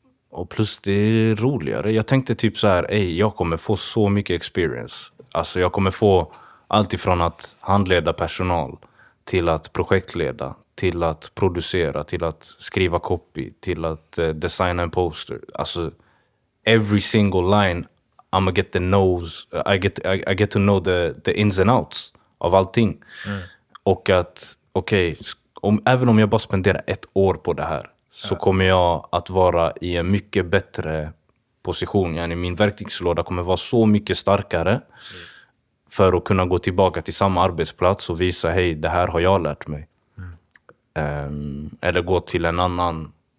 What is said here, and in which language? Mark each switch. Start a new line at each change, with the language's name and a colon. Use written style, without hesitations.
Swedish: Och plus det är roligare. Jag tänkte typ så här, ej, jag kommer få så mycket experience. Alltså jag kommer få allt ifrån att handleda personal till att projektleda, till att producera, till att skriva copy, till att designa en poster. Alltså
English: every single line I'm gonna get the nose, I get to know the ins and outs
Swedish: av allting. Och att även om jag bara spenderar ett år på det här, så kommer jag att vara i en mycket bättre position. Yani min verktygslåda kommer vara så mycket starkare för att kunna gå tillbaka till samma arbetsplats och visa, hej, det här har jag lärt mig. Eller gå till en annan